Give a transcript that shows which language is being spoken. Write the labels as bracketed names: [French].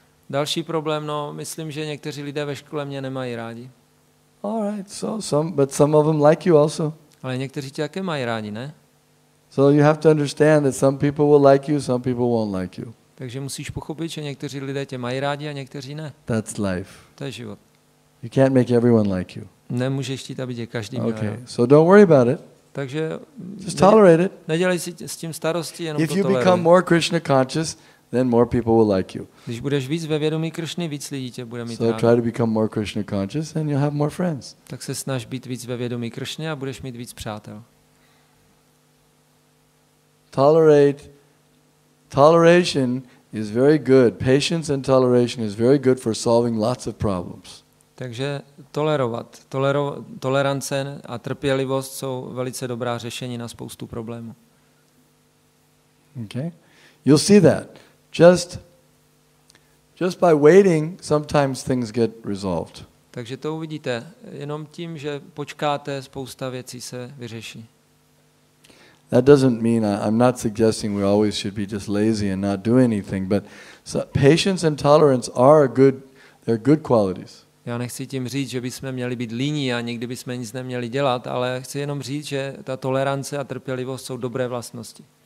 [Czech] Další problém, no, myslím, že někteří lidé ve škole mě nemají rádi. [English] All right, so some of them like you also. [Czech] Ale někteří tě také mají rádi, ne? [English] So you have to understand that some people will like you, some people won't like you. [Czech] Takže musíš pochopit, že někteří lidé tě mají rádi a někteří ne. [English] That's life. [Czech] To je život. [English] You can't make everyone like you. [Czech] Nemůžeš chtít, aby tě každý měl. [English] Okay. So don't worry about it. [Czech] Takže [English] just tolerate it. [Czech] Nedělej si s tím starosti, jenom to toleruj. [English] If you become more Krishna conscious, then more people will like you. [Czech] Když budeš víc ve vědomí Krishny, víc lidí tě bude mít rádi. [English] So try to become more Krishna conscious and you'll have more friends. [Czech] Tak se snaž být víc ve vědomí Krishny a budeš mít víc přátel. [English] Toleration is very good. Patience and toleration is very good for solving lots of problems. [Czech] Takže tolerovat, tolerance a trpělivost jsou velice dobrá řešení na spoustu problémů. [English] Okay. You'll see that. Just by waiting, sometimes things get resolved. [Czech] Takže to uvidíte, jenom tím, že počkáte, spousta věcí se vyřeší. [English] That doesn't mean I'm not suggesting we always should be just lazy and not do anything, but patience and tolerance are good, they're good qualities. [Czech] Já nechci tím říct, že bychom měli být líní a nikdy bychom nic neměli dělat, ale chci jenom říct, že ta tolerance a trpělivost jsou dobré vlastnosti.